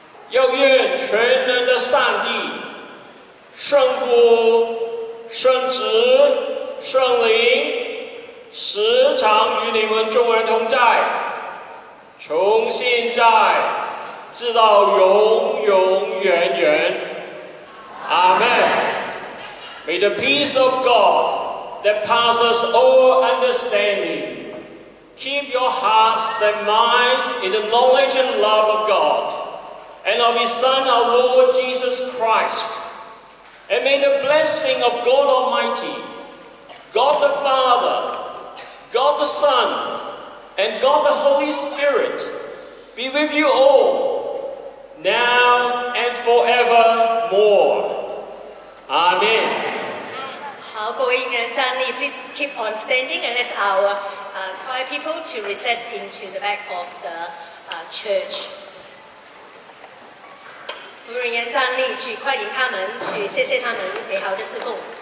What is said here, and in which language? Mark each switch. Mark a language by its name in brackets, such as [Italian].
[Chinese] 又愿全能的上帝圣父圣子圣灵时常与你们众人同在，从现在直到永永远远，阿们。 [English] May the peace of God that passes all understanding keep your hearts and minds in the knowledge and love of God and of His Son, our Lord Jesus Christ. And may the blessing of God Almighty, God the Father, God the Son, and God the Holy Spirit be with you all, now and forevermore. Amen. [Chinese] 好，各位应该站立 [English] ，please keep on standing and let our choir people to recess into the back of the church。 [Chinese] 服务人员站立，去欢迎他们，去谢谢他们美好的侍奉。